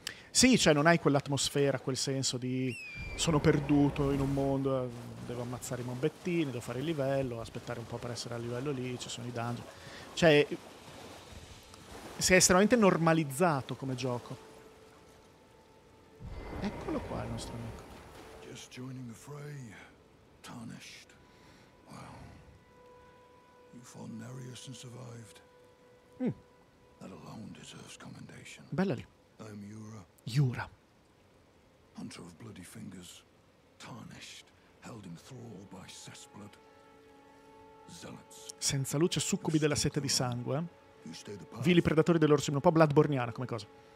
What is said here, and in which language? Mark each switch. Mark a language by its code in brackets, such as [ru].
[it] Sì, cioè non hai quell'atmosfera, quel senso di sono perduto in un mondo, devo ammazzare i mombettini, devo fare il livello, aspettare un po' per essere a livello lì, ci sono i dungeon. Cioè, si è estremamente normalizzato come gioco. Eccolo qua, il nostro amico. [en] Just joining the fray, tarnished. Well, you fought Nereus and survived. That alone deserves commendation. [it] Bella lì. [en] I'm Yura. Yura. Hunter of bloody fingers, tarnished, held in thrall by Cessblood. Zealots. [it] Senza luce, succubi della sete di sangue. Vili predatori dell'orso, un po' bloodborniana come cosa.